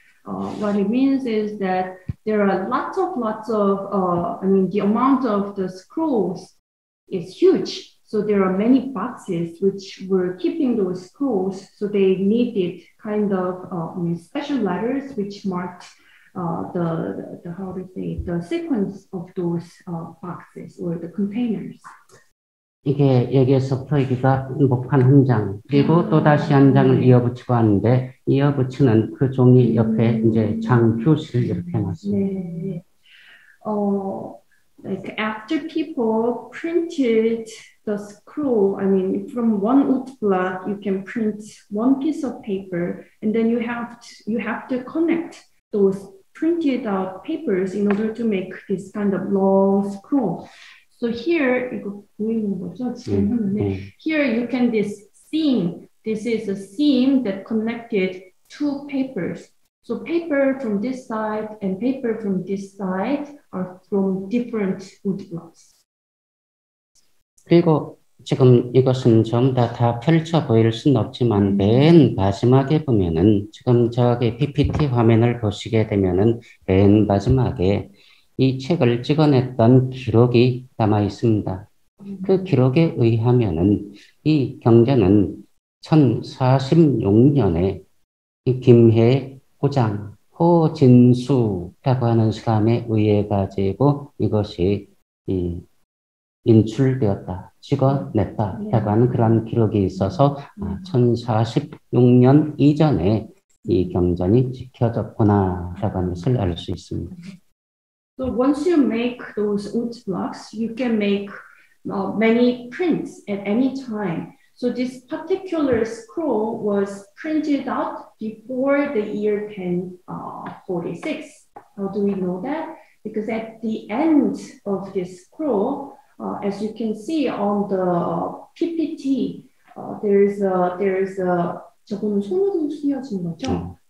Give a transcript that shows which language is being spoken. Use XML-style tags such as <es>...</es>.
<en>What it means is that there are lots of the amount of the scrolls is huge. So there are many boxes which were keeping those scrolls. So they needed kind of special letters which marked the sequence of those boxes or the containers.</en> <ko>이게 여기에서 프로이기가 행복한 한 장 그리고 또 다시 한 장을 이어붙이고 하는데 이어붙이는 그 종이 옆에 이제 장 표시를 이렇게 해놨습니다. 네.</ko> <en>Like after people printed the scroll, I mean, from one wood block, you can print one piece of paper, and then you have to connect those printed out papers in order to make this kind of long scroll. So here,</en> <ko>이거 보이는 거죠? 지금 하는데,</ko> <en>here you can this seam. This is a seam that connected two papers. So paper from this side and paper from this side are from different wood blocks.</en> <ko>그리고 지금 이것은 전부 다 펼쳐 보일 순 없지만 맨 마지막에 보면은 지금 저기 PPT 화면을 보시게 되면은 맨 마지막에 이 책을 찍어냈던 기록이 남아 있습니다. 그 기록에 의하면은 이 경전은 1046년에 이 김해 호장 호진수라고 하는 사람에 의해 가지고 이것이 이 인출되었다, 찍어냈다라고 하는 그런 기록이 있어서 1046년 이전에 이 경전이 찍혀졌구나라고 하는 것을 알 수 있습니다.</ko> <en>So once you make those wood blocks, you can make many prints at any time. So this particular scroll was printed out before the year 1046. How do we know that? Because at the end of this scroll, as you can see on the PPT, there is a</en> <ko>저건 손으로 쓰여진 거죠?</ko>